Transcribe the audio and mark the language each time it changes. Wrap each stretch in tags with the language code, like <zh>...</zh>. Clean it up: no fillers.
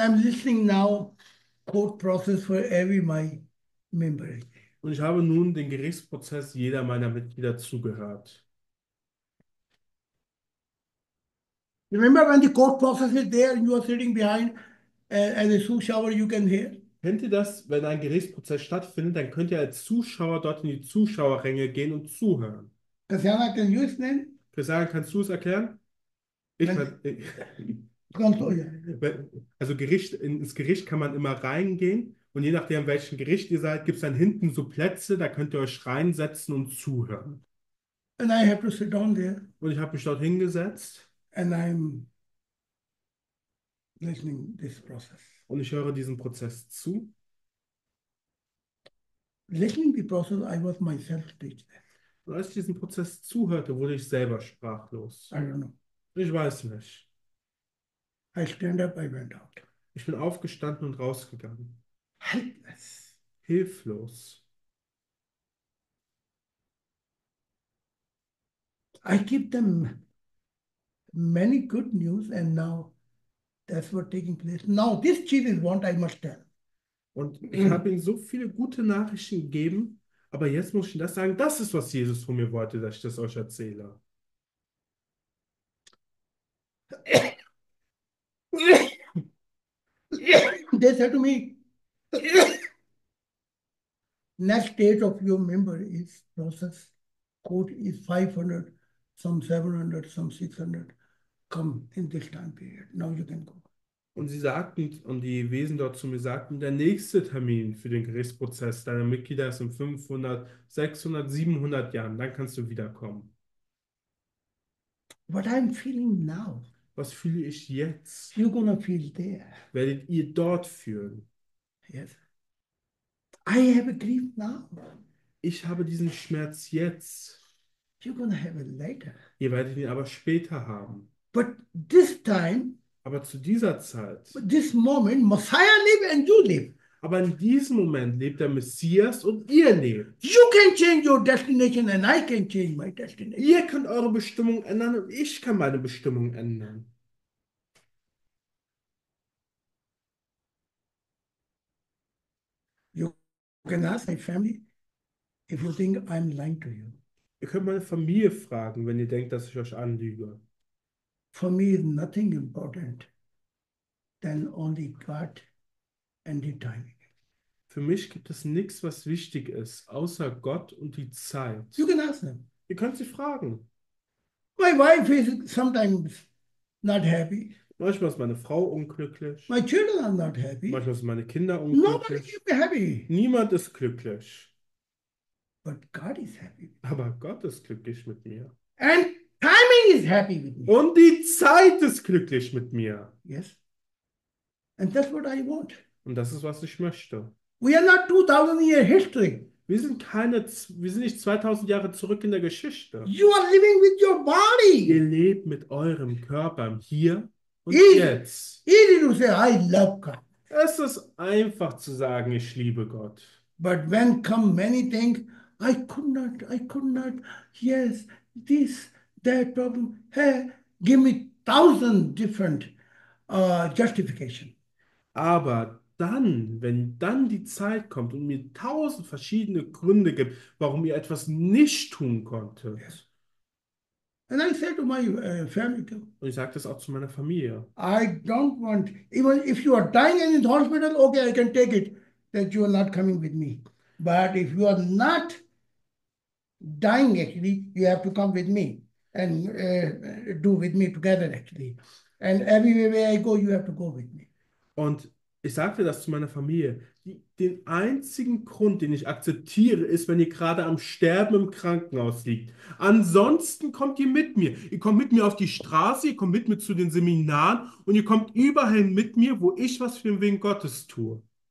<en>And I'm listening now, court process for every my member.</en> <de>Und ich habe nun den Gerichtsprozess jeder meiner Mitglieder zugehört.</de> <en>Remember when the court process is there and you are sitting behind as a Zuschauer, you can hear?</en> <de>Kennt ihr das, wenn ein Gerichtsprozess stattfindet, dann könnt ihr als Zuschauer dort in die Zuschauerränge gehen und zuhören.</de> <en>Kasiana, can you explain?</en> <de>Christian, kannst du es erklären? Ich Wenn meine, ganz so, ja. also ins Gericht kann man immer reingehen und je nachdem, welchem Gericht ihr seid, gibt es dann hinten so Plätze, da könnt ihr euch reinsetzen und zuhören.</de> <en>And I have to sit down there.</en> <de>Und ich habe mich dort hingesetzt.</de> <en>And I'm listening this process.</en> <de>Und ich höre diesen Prozess zu.</de> <en>Listening the process, I was myself stage</en> <de>Und als ich diesen Prozess zuhörte, wurde ich selber sprachlos.</de> <en>there. I don't know.</en> <de>Ich weiß nicht.</de> <en>I stand up, I went out.</en> <de>Ich bin aufgestanden und rausgegangen.</de> <en>Helpless.</en> <de>Hilflos.</de> <en>I give them many good news and now that's what taking place. Now this Jesus want</en> <de>Und</de> <en>I</en> <de>ich</de> <en>must</en> <de>habe ihm so viele gute Nachrichten gegeben, aber jetzt muss ich ihm das sagen. Das ist, was Jesus von mir wollte, dass ich das euch erzähle.</de> <en>tell. They said to me, next date of your member is process code is 500, some 700, some 600. Come in this time period. Now you can go.</en> <de>Und sie sagten, und die Wesen dort zu mir sagten, der nächste Termin für den Gerichtsprozess deiner Mitglieder ist in 500, 600, 700 Jahren. Dann kannst du wiederkommen.</de> <en>What I'm feeling now.</en> <de>Was fühle ich jetzt?</de> <en>You're gonna feel there.</en> <de>Werdet ihr dort fühlen?</de> <en>Yes. I have a grief now.</en> <de>Ich habe diesen Schmerz jetzt.</de> <en>You're gonna have it later.</en> <de>Ihr werdet ihn aber später haben.</de> <en>But this time,</en> <de>Aber zu dieser</de> <en>but</en> <de>Zeit,</de> <en>this moment, Messiah live and you live.</en> <de>aber in diesem Moment lebt der Messias und ihr lebt.</de> <en>You can change your destination and I can change my destination.</en> <de>Ihr könnt eure Bestimmung ändern und ich kann meine Bestimmung ändern.</de> <en>Can ask my family. If you think I'm lying to you.</en> <de>Ihr könnt meine Familie fragen, wenn ihr denkt, dass ich euch anlüge.</de> <en>For me is nothing important than only God and the timing.</en> <de>Für mich gibt es nichts, was wichtig ist, außer Gott und die</de> <en>You</en> <de>Zeit.</de> <en>can ask them.</en> <de>Ihr könnt sie fragen.</de> <en>My wife is sometimes not happy.</en> <de>Manchmal ist meine Frau unglücklich.</de> <en>My children are not happy.</en> <de>Manchmal sind meine Kinder</de> <en>Nobody</en> <de>unglücklich.</de> <en>can be happy.</en> <de>Niemand ist glücklich.</de> <en>But God is happy</en> <de>Aber Gott ist glücklich mit mir.</de> <en>with me. And timing is happy with me.</en> <de>Und die Zeit ist glücklich mit mir.</de> <en>Yes. And that's what I want.</en> <de>Und das ist, was ich möchte.</de> <en>We are not 2000 year history.</en> <de>Wir sind nicht 2000 Jahre zurück in der Geschichte.</de> <en>You are living with your</en> <de>Ihr lebt mit eurem Körper hier und</de> <en>Easy.</en> <de>jetzt.</de> <en>Easy to say, I love God.</en> <de>Es ist einfach zu sagen, ich liebe Gott.</de> <en>But when come many things, I could not, yes, this, that problem. Hey, give me 1000 different justification.</en> <de>Aber dann, wenn dann die Zeit kommt und mir tausend verschiedene Gründe gibt, warum ihr etwas nicht tun konntet.</de> <en>And I said to my family too.</en> <de>Und ich sage das auch zu meiner Familie.</de> <en>I don't want, even if you are dying in the hospital, okay, I can take it that you are not coming with me. But if you are not dying actually, you have to come with me and do with me together actually. And everywhere I go, you have to go with me.</en> <de>Und ich sagte das zu meiner Familie. Den einzigen Grund, den ich akzeptiere, ist, wenn ihr gerade am Sterben im Krankenhaus liegt. Ansonsten kommt ihr mit mir. Ihr kommt mit mir auf die Straße, ihr kommt mit mir zu den Seminaren und ihr kommt überall mit mir, wo ich was für den Willen Gottes tue.</de>